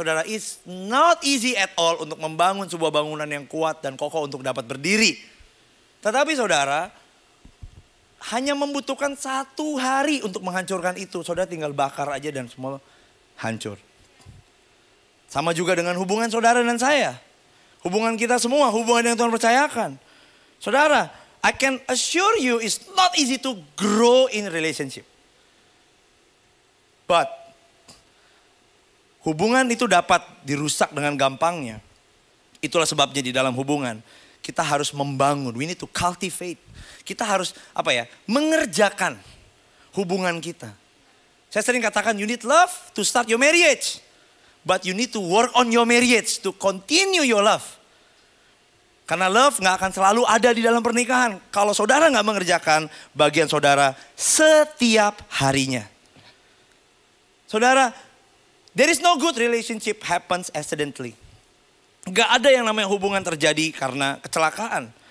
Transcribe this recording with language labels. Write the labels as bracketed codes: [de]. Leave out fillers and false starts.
[id] Saudara, [en] it's not easy at all [id] untuk membangun sebuah bangunan yang kuat dan kokoh untuk dapat berdiri. Tetapi saudara, hanya membutuhkan satu hari untuk menghancurkan itu. Saudara tinggal bakar aja dan semua hancur. Sama juga dengan hubungan saudara dan saya. Hubungan kita semua, hubungan yang Tuhan percayakan. [en] Saudara, I can assure you it's not easy to grow in relationship. [id] But hubungan itu dapat dirusak dengan gampangnya. Itulah sebabnya di dalam hubungan kita harus membangun. [en] We need to cultivate. [id] Kita harus mengerjakan hubungan kita. Saya sering katakan [en] you need love to start your marriage. But you need to work on your marriage to continue your love. [id] Karena love gak akan selalu ada di dalam pernikahan kalau saudara gak mengerjakan bagian saudara setiap harinya. [en] Saudara, there is no good relationship happens accidentally. [id] Gak ada yang namanya hubungan terjadi karena kecelakaan.